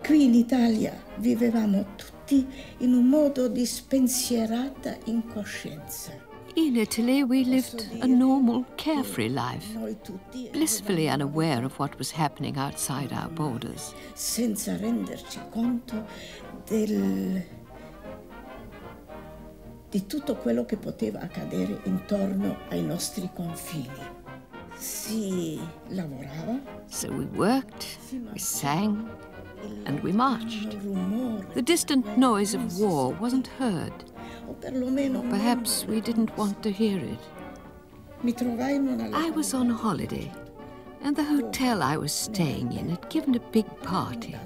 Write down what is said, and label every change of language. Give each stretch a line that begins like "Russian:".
Italian: Qui in Italia vivevamo tutti in un modo di spensierata incoscienza.
English: In Italy, we lived a normal, carefree life, blissfully unaware of what was happening outside our borders.
Italian: Senza renderci conto del di tutto quello che poteva accadere intorno ai nostri confini. Si lavorava.
English: So we worked, we sang, and we marched. The distant noise of war wasn't heard. Perhaps we didn't want to hear it. I was on holiday, and the hotel I was staying in had given a big party.